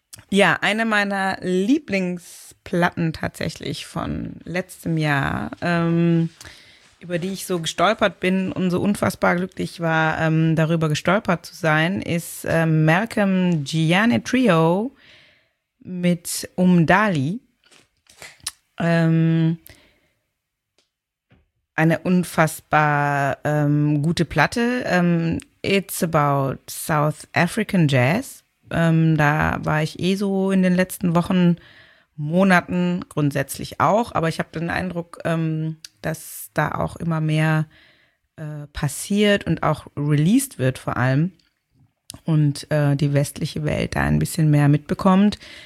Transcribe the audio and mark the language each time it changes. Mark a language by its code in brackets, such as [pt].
[de] Ja, eine meiner Lieblingsplatten tatsächlich von letztem Jahr, über die ich so gestolpert bin und so unfassbar glücklich war, darüber gestolpert zu sein, ist Malcolm Gianni Trio mit Umdali. eine unfassbar gute Platte. [en] It's about South African Jazz. [de] Da war ich eh so in den letzten Wochen, Monaten grundsätzlich auch. Aber ich habe den Eindruck, dass da auch immer mehr passiert und auch released wird vor allem. Und die westliche Welt da ein bisschen mehr mitbekommt.